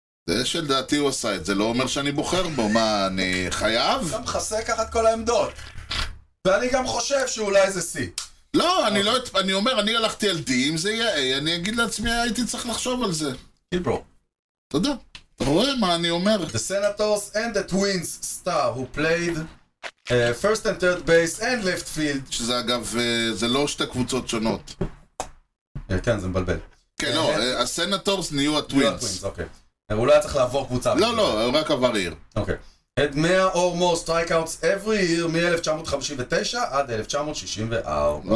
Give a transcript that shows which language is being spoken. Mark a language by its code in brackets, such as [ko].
[he] זה שלדעתי הוא עשה את זה, לא אומר שאני בוחר בו. מה, אני חייב? גם חסה ככה את כל העמדות, ואני גם חושב שאולי זה C. לא, אני לא, אני אומר, אני הלכתי על D. אם זה יהיה A, אני אגיד לעצמי הייתי צריך לחשוב על זה. קילברו, תודה, אתה רואה מה אני אומר. [en] The Senators and the Twins star who played first and third base and left field. [he] שזה אגב, זה לא שתי קבוצות שונות. כן, זה מבלבל. כן, לא, הסנטורס נהיו הטווינס. אוקיי. אולי צריך לעבור קבוצה. לא, לא, הוא רק עבר עיר. אוקיי. [en] Had 100 or more strikeouts every year [he] מ-1959 עד 1964.